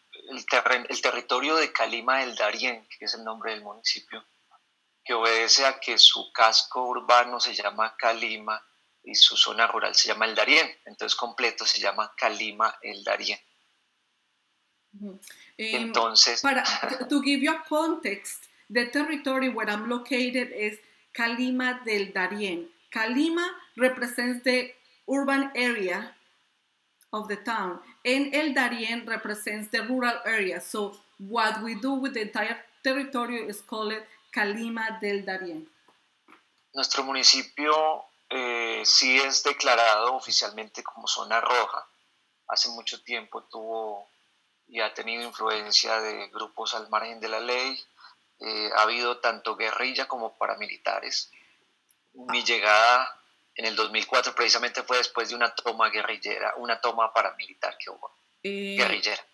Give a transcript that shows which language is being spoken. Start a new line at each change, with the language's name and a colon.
Spanish: El territorio de Calima del Darién, que es el nombre del municipio, que obedece a que su casco urbano se llama Calima y su zona rural se llama El Darién, entonces completo se llama Calima El Darién. Entonces, para
English: to give you a context, the territory where I'm located is Calima del Darién. Calima represents the urban area of the town, and El Darién represents the rural area. So what we do with the entire territory is called Calima del Darién.
Spanish: Nuestro municipio sí es declarado oficialmente como zona roja. Hace mucho tiempo tuvo y ha tenido influencia de grupos al margen de la ley. Ha habido tanto guerrilla como paramilitares. Mi llegada en el 2004 precisamente fue después de una toma guerrillera, una toma paramilitar que hubo, guerrillera.